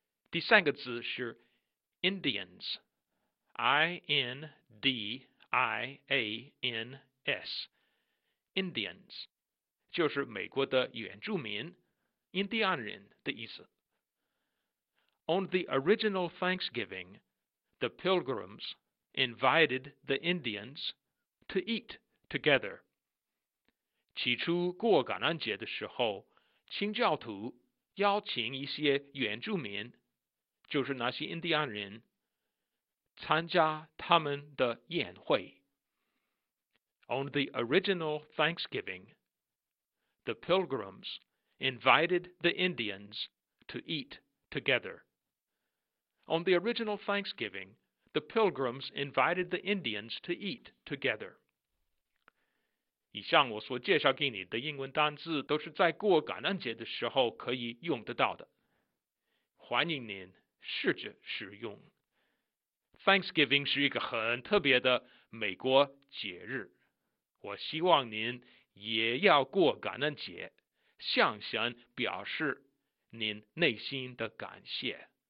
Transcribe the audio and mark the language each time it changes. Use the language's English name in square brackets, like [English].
[Chinese] 第三个字是 Indians, I-N-D-I-A-N-S, Indians, 就是美国的原住民，印第安人的意思。 [English] On the original Thanksgiving,The pilgrims invited the Indians to eat together. [Chinese] 起初过感恩节的时候，清教徒邀请一些原住民，就是那些印第安人，参加他们的宴会。 [English] On the original Thanksgiving, the pilgrims invited the Indians to eat together. On the original Thanksgiving,The pilgrims invited the Indians to eat together. [Chinese] 以上我所介绍给你的英文单字都是在过感恩节的时候可以用得到的。欢迎您试着使用。Thanksgiving 是一个很特别的美国节日。我希望您也要过感恩节，向神表示您内心的感谢。